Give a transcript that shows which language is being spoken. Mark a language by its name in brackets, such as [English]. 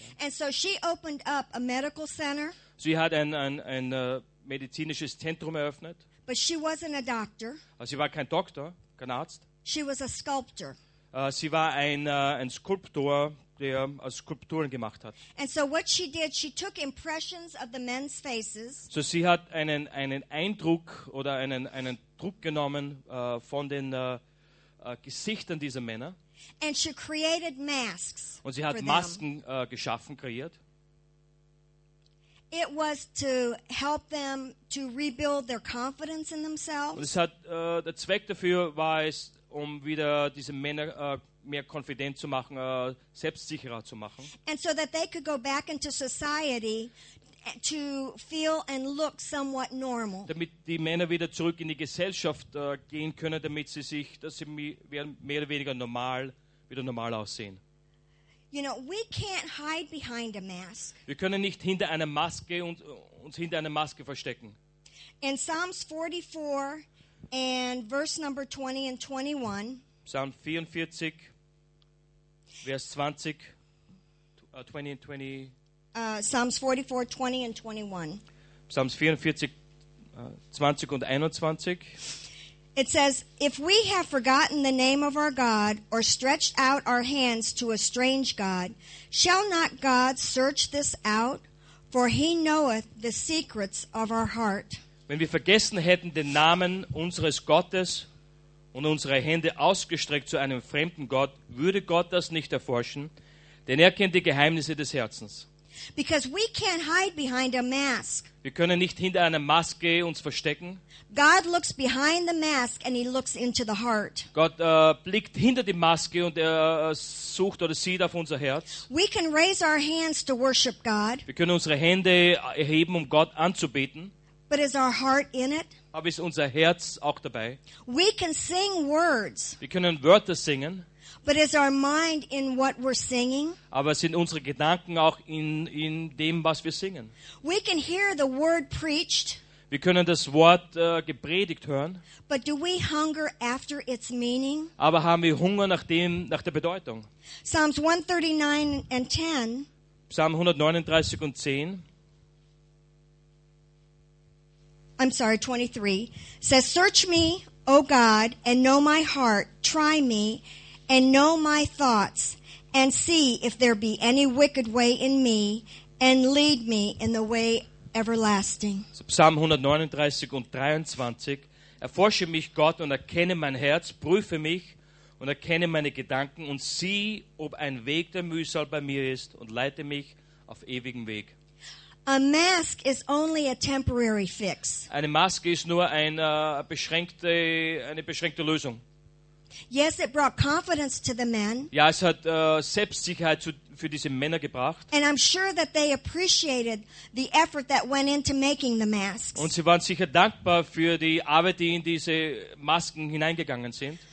[English] And so she opened up a medical center. [German] Sie hat ein medizinisches Zentrum eröffnet. [English] But she wasn't a doctor. [German] Sie war kein Doktor, kein Arzt. [English] She was a sculptor. [German] Sie war ein Skulptor, der Skulpturen gemacht hat. [English] And so what she did, she took impressions of the men's faces. [German] So sie hat einen Eindruck oder einen Druck genommen von den Gesichtern dieser Männer. [English] And she created masks. [German] Und sie hat Masken geschaffen, kreiert. [English] It was to help them to rebuild their confidence in themselves. [German] Und es hat der Zweck dafür war es, um wieder diese Männer mehr konfident zu machen, selbstsicherer zu machen. [English] And so that they could go back into society to feel and look somewhat normal. [German] Damit die Männer wieder zurück in die Gesellschaft gehen können, damit sie sich, dass sie mehr oder weniger normal, wieder normal aussehen. [English] You know, we can't hide behind a mask. [German] Wir können nicht hinter einer Maske uns hinter einer Maske verstecken. [English] In Psalms 44 and verse number 20 and 21. [German] Psalm 44, Vers 20, 20 and 20. [English] Psalms 44, 20 and 21. [German] Psalms 44, 20 und 21. [English] It says, if we have forgotten the name of our God or stretched out our hands to a strange God, shall not God search this out? For he knoweth the secrets of our heart. [German] Wenn wir vergessen hätten den Namen unseres Gottes und unsere Hände ausgestreckt zu einem fremden Gott, würde Gott das nicht erforschen, denn er kennt die Geheimnisse des Herzens. [English] Because we can't hide behind a mask. [German] Wir können nicht hinter einer Maske uns verstecken. [English] God looks behind the mask and he looks into the heart. [German] Gott blickt hinter die Maske und er sucht oder sieht auf unser Herz. [English] We can raise our hands to worship God. [German] Wir können unsere Hände erheben, um Gott anzubeten. [English] But is our heart in it? [German] Aber ist unser Herz auch dabei? [English] We can sing words. [German] Wir können Wörter singen. [English] But is our mind in what we're singing? [German] Aber sind unsere Gedanken auch in dem, was wir singen? [English] We can hear the word preached. [German] Wir können das Wort gepredigt hören. [English] But do we hunger after its meaning? [German] Aber haben wir Hunger nach der Bedeutung? [English] Psalms 139 and 10. [German] Psalm 139 und 10. [English] I'm sorry, 23, says, Search me, O God, and know my heart. Try me, and know my thoughts, and see if there be any wicked way in me, and lead me in the way everlasting. [German] So Psalm 139 und 23, Erforsche mich, Gott, und erkenne mein Herz. Prüfe mich und erkenne meine Gedanken, und sieh, ob ein Weg der Mühsal bei mir ist, und leite mich auf ewigen Weg. [English] A mask is only a temporary fix. [German] Eine Maske ist nur eine beschränkte Lösung. [English] Yes, it brought confidence to the men. [German] Ja, es hat Selbstsicherheit für diese Männer gebracht. [English] And I'm sure that they appreciated the effort that went into making the masks. [German] Und sie waren sicher dankbar für die Arbeit, die in diese Masken hineingegangen sind.